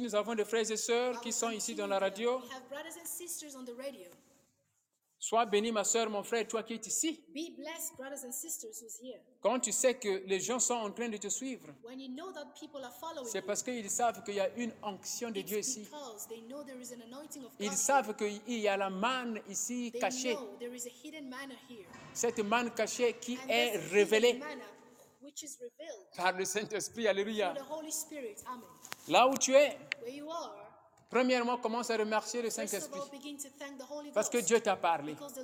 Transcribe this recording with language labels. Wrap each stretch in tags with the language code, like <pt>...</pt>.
<fr>Nous avons des frères et sœurs qui sont ici dans la radio.</fr> <en>We have brothers and sisters on the radio.</en> <fr>Sois béni, ma sœur, mon frère, toi qui es ici.</fr> <en>Be blessed, brothers and sisters who's here.</en> <fr>Quand tu sais que les gens sont en train de te suivre,</fr> <en>when you know that people are following</en> <fr>c'est parce qu'ils savent qu'il y a une onction de</fr> <en>it's Because they know there is an anointing of God.</en> <fr>Ils savent qu'il y a la manne ici</fr> <en>they</en> <fr>cachée.</fr> <en>Know there is a hidden manna here.</en> <fr>Cette manne cachée qui</fr> <en>and</en> <fr>est révélée</fr> <en>manna, which is revealed</en> <fr>par le Saint-Esprit. Alléluia.</fr> <en>The Holy Spirit. Amen.</en> <fr>Là où tu es,</fr> <en>where you are,</en> <fr>premièrement, commence à remercier le Saint-Esprit parce que Dieu t'a parlé.</fr>